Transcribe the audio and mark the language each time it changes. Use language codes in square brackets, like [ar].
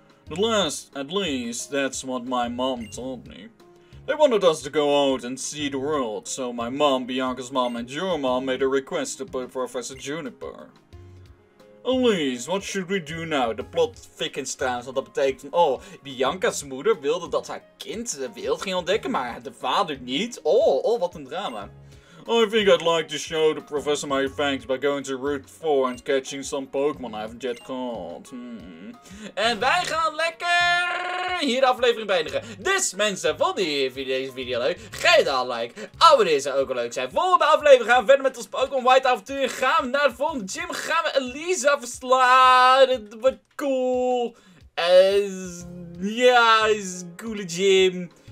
[en] At least, that's what my mom told me. They wanted us to go out and see the world, so my mom, Bianca's mom, and your mom made a request to put Professor Juniper. Elise, what should we do now? [nl] De [en] plot thickens [nl] trouwens, want dat betekent van, oh, Bianca's moeder wilde dat haar kind de wereld ging ontdekken, maar de vader niet. Oh, wat een drama. [en] I think I'd like to show the professor my thanks by going to Route 4 and catching some Pokemon I haven't yet caught. [nl] En wij gaan lekker hier de aflevering beëindigen. Dus mensen, vonden jullie deze video leuk? Geef dan een like. Abonneer zou ook wel leuk zijn. Volgende aflevering gaan we verder met ons Pokémon White avontuur. Gaan we naar de volgende gym. Gaan we Elisa verslaan. Het wordt cool. Is een coole gym.